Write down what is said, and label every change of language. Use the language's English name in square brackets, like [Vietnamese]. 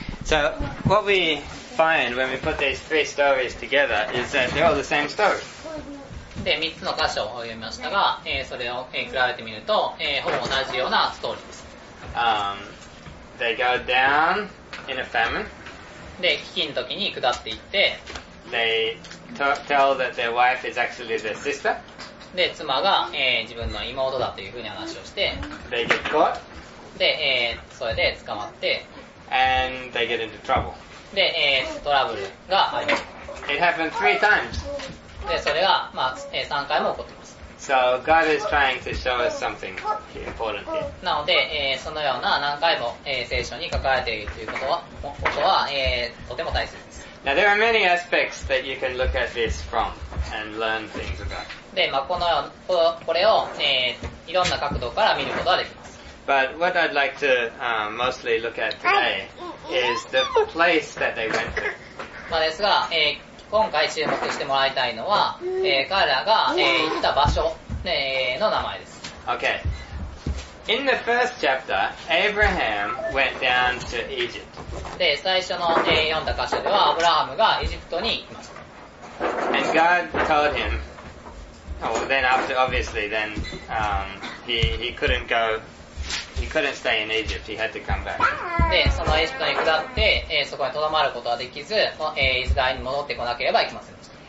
[English] So, what we find when we put these three stories together is that they're all the same story. [Japanese] で、3つの箇所を読みましたが、それを比べてみると、ほぼ同じようなストーリーです。 [English] They go down in a famine. [Japanese] で、飢饉の時に下っていって、 [English] They tell that their wife is actually their sister. [Japanese] で、妻が、自分の妹だというふうに話をして、 [English] They get caught. [Japanese] で、それで捕まって、 [English] And they get into trouble. [Japanese] で、トラブルがあります。 [English] It happened three times. [Japanese] で、それが、まあ、3回も起こっています。 [English] So God is trying to show us something important here. [Japanese] なので、そのような何回も、聖書に書かれているということは、とても大切です。 [English] Now there are many aspects that you can look at this from and learn things about. [Japanese] で、まあ、これを、いろんな角度から見ることができます。 [English] But what I'd like to, mostly look at today is the place that they went to. [Japanese] まあですが、今回注目してもらいたいのは、彼らが、行った場所、の名前です。 [English] Okay. In the first chapter, Abraham went down to Egypt. [Japanese] で、最初の、読んだ箇所では、アブラハムがエジプトに行きました。 [English] And God told him, oh, then after, obviously, then, he couldn't go, he couldn't stay in Egypt. He had to come back. [Japanese] で、そのエジプトに下って、そこに留まることはできず、イスラエルに戻ってこなければいけませんでした。